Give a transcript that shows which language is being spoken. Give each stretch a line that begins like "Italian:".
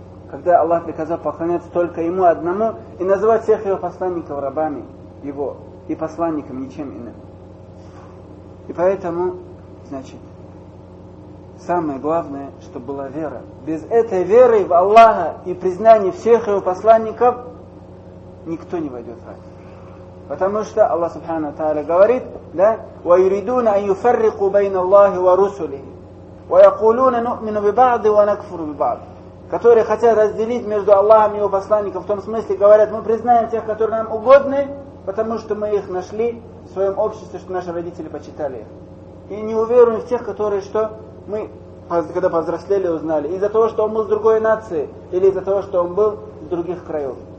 Russian: Когда Аллах приказал поклоняться только Ему одному и называть всех Его посланников рабами Его и посланниками, ничем иным. И поэтому, значит, самое главное, чтобы была вера. Без этой веры в Аллаха и признания всех Его посланников никто не войдет в рай. Потому что Аллах Субхана Тааля говорит, да,
Arabic: وَيُرِدُونَ أَن يُفَرِّقُوا بَيْنَ اللَّهِ وَرُسُلِهِ وَيَقُولُونَ نُؤْمِنُ بِبَعْضِ وَنَكْفُرُ بِبَعْضِ.
Russian: Которые хотят разделить между Аллахом и его посланником, в том смысле говорят, мы признаем тех, которые нам угодны, потому что мы их нашли в своем обществе, что наши родители почитали их. И не уверуем в тех, которые что? Мы, когда повзрослели, узнали. Из-за того, что он был с другой нации, или из-за того, что он был с других краев.